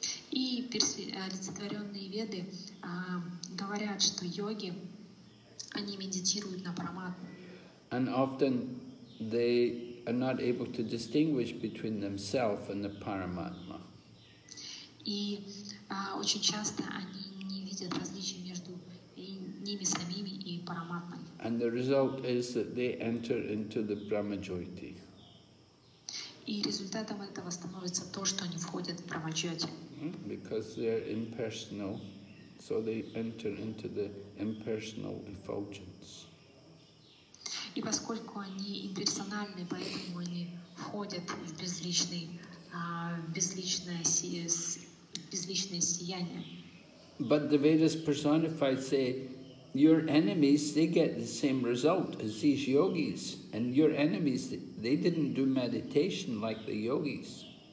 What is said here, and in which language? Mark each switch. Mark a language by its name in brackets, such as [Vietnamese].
[Russian] И олицетворенные веды говорят, что йоги, они медитируют на Параматму. [English] And often they are not able to distinguish between themselves and the Paramatma. [Russian] И очень часто они не видят различия между ними самими и Параматмой. [English] And the result is that they enter into the Brahmajyoti. [Russian] И результатом этого становится то, что они входят в Брахмаджоти. [English] Because they are impersonal, so they enter into the impersonal effulgence. [Russian] И поскольку они имперсональны, поэтому они входят в безличный, безличное сияние. [English] But the Vedas personified say, your enemies, they get the same result as these yogis, and your enemies, they didn't do meditation like the yogis.